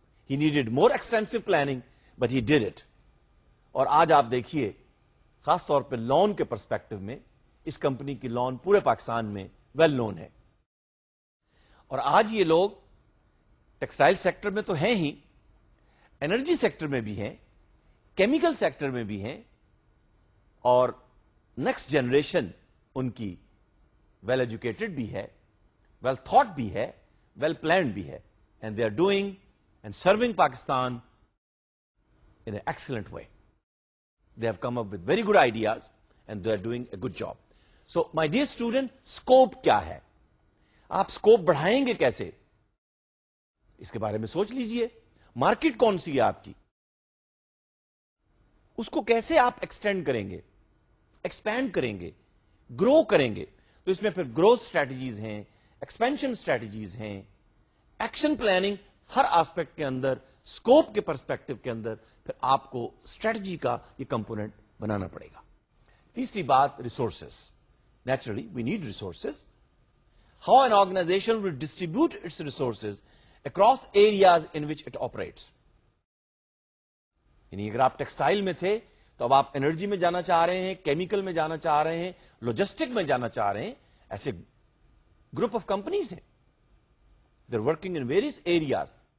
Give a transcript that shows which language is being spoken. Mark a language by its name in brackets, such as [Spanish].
[English] He needed more extensive planning, but he did it. [Urdu] اور آج آپ دیکھیے, خاص طور پہ لون کے پرسپیکٹو میں, اس کمپنی کی لون پورے پاکستان میں ویل نون ہے. اور آج یہ لوگ ٹیکسٹائل سیکٹر میں تو ہیں ہی, انرجی سیکٹر میں بھی ہیں, کیمیکل سیکٹر میں بھی ہیں, اور نیکسٹ جنریشن ان کی ویل ایجوکیٹڈ بھی ہے, ویل تھاٹ بھی ہے, ویل پلانڈ بھی ہے, [English] And they are doing and serving Pakistan in a excellent way. They have come up with very good ideas and they are doing a good job. So my dear student, [Urdu] scope کیا ہے, آپ scope بڑھائیں گے کیسے, اس کے بارے میں سوچ لیجیے. مارکیٹ کون سی ہے آپ کی, اس کو کیسے آپ ایکسٹینڈ کریں گے, ایکسپینڈ کریں گے, گرو کریں گے. تو اس میں پھر گروتھ اسٹریٹجیز ہیں, ایکسپینشن اسٹریٹجیز ہیں, ایکشن پلاننگ ہر آسپیکٹ کے اندر, اسکوپ کے پرسپیکٹو کے اندر پھر آپ کو اسٹریٹجی کا یہ کمپونیٹ بنانا پڑے گا. تیسری بات, resources. [English] Naturally we need resources. How an organization will distribute its resources across areas in which it operates. [Urdu] یعنی اگر آپ ٹیکسٹائل میں تھے تو اب آپ انرجی میں جانا چاہ رہے ہیں, کیمیکل میں جانا چاہ رہے ہیں, لوجسٹک میں جانا چاہ رہے ہیں, ایسے گروپ آف کمپنیز ہیں, [English] They are working in various areas.